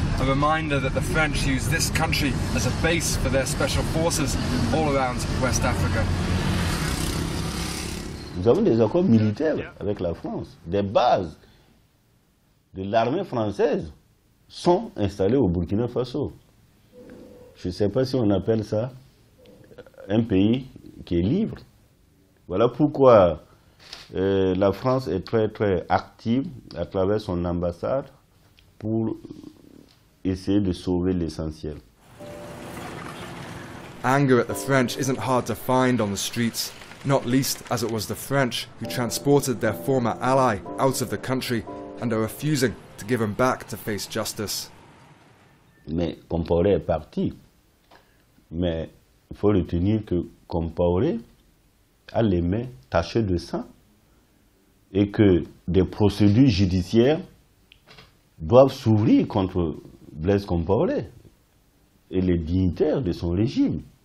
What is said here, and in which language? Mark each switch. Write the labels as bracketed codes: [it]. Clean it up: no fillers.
[en] A reminder that the French use this country as a base for their special forces all around West Africa. [fr] Nous avons des accords militaires avec la France, des bases de l'armée française sont installés au Burkina Faso. Je ne sais pas si on appelle ça un pays qui est libre. Voilà pourquoi la France est très très active à travers son ambassade pour essayer de sauver l'essentiel. [en] Anger at the French isn't hard to find on the streets, not least as it was the French who transported their former ally out of the country and are refusing to give him back to face justice. [fr] Mais Compaoré est parti. Mais il faut retenir que Compaoré a les mains tachées de sang et que des procédures judiciaires doivent s'ouvrir contre Blaise Compaoré et les dignitaires de son régime.